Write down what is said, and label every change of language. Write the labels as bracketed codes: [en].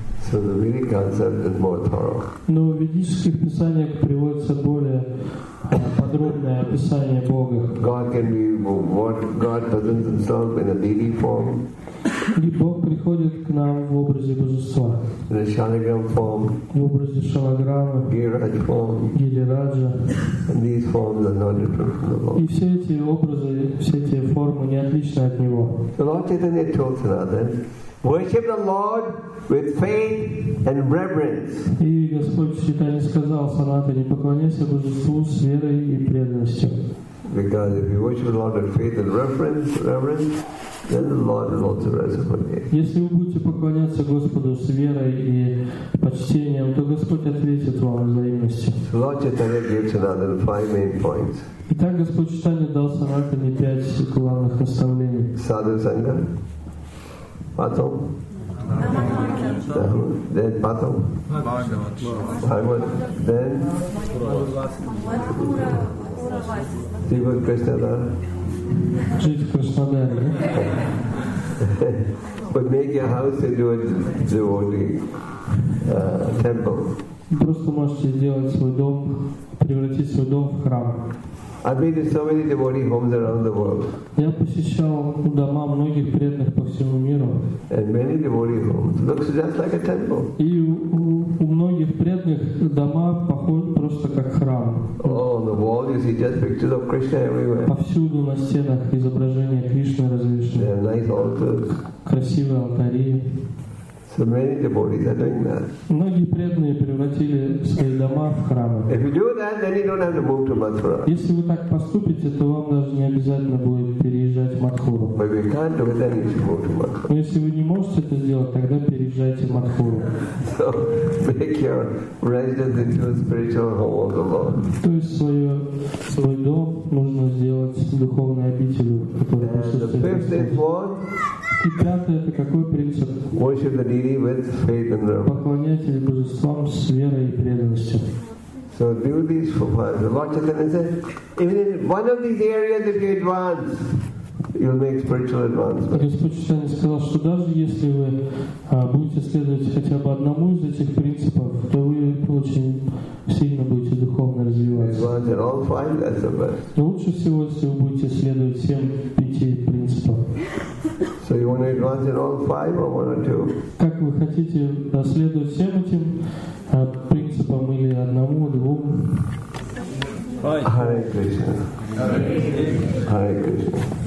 [en] So the Vedic concept is more thorough. [ru] Но в ведических писаниях приводится более подробное описание Бога. [en] God can be what God presents himself in a deity form. [ru] И Бог приходит к нам в образе божества. [en] In a shalagram form. [ru] В образе шалаграмы. [en] Гираджа form. [ru] Гирираджа. [en] And these forms are not different from the Lord. [ru] И все эти образы, все эти формы не отличны от Него. [en] The Lord Chaitanya told us that then. Worship the Lord with faith and reverence. [ru] И Господь Чайтанья сказал Санатане, поклоняйся Божеству с верой и преданностью. [en] Because if you worship the Lord with faith and reverence, then the Lord will also reciprocate. [ru] Если вы будете поклоняться Господу с верой и почтением, то Господь ответит вам взаимностью. [en] Lord Chaitanya gives another five main points. [ru] Итак, Господь Чайтанья дал Санатане пять главных наставлений. [en] Sadhu Sangha. Patam? Bhagavatam. Then Patam? Bhagavatam. Then? Puravasam. Sivan Krishnadara? Jit Krishnadara. But make your house into a devotee temple. [ru] Просто можете сделать свой дом, превратить свой дом в храм. [en] I've been to so many devotee homes around the world. [ru] Я посещал дома многих преданных по всему миру. [en] And many devotee homes look just like a temple. [ru] И у многих преданных дома похожи просто как храм. [en] Oh, on the wall you see just pictures of Krishna everywhere. [ru] Повсюду на стенах изображения Кришны развешаны. [en] They have nice altars. [ru] Красивые алтари. [en] So many devotees are doing that. [ru] Многие преданные превратили свои дома в храмы. [en] If you do that, then you don't have to move to Mathura. [ru] Если вы так поступите, то вам даже не обязательно будет переезжать в Матхуру. [en] But if you can't do it, then you should move to Mathura. [ru] Но если вы не можете это сделать, тогда переезжайте в Матхуру. [en] So make your residence into a spiritual home of the Lord. [ru] То есть свой дом нужно сделать духовной обителью, которая присутствует. И пятое, это какой принцип? [en] Worship the deity with faith and love. [ru] Поклоняйтесь божествам с верой и преданностью. [en] So do these for fun. The Lord Chaitanya says, even in one of these areas, if you advance, you'll make spiritual advancement. [ru] Господь Чайтанья сказал, что даже если вы будете следовать хотя бы одному из этих принципов, то вы очень сильно будете духовно развиваться. Но лучше всего, если вы будете следовать всем пяти принципам. [en] So you want to advance in all five or one or two? [ru] Как вы хотите следовать всем этим принципам или одному, двум? [en] Hare Krishna. Hare Krishna. Hare Krishna.